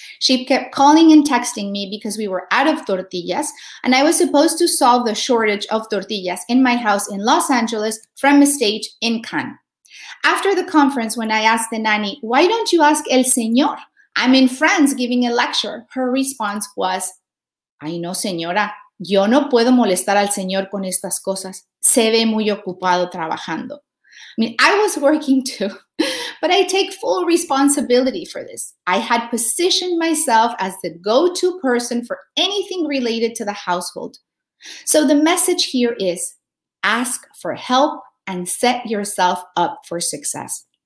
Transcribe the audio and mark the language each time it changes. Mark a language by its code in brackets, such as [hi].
[en] She kept calling and texting me because we were out of tortillas, and I was supposed to solve the shortage of tortillas in my house in Los Angeles from a stage in Cannes. After the conference, when I asked the nanny, why don't you ask el señor? I'm in France giving a lecture. Her response was, [es] ay no, señora. Yo no puedo molestar al señor con estas cosas. Se ve muy ocupado trabajando. [en] I mean, I was working too, but I take full responsibility for this. I had positioned myself as the go-to person for anything related to the household. So the message here is, ask for help and set yourself up for success.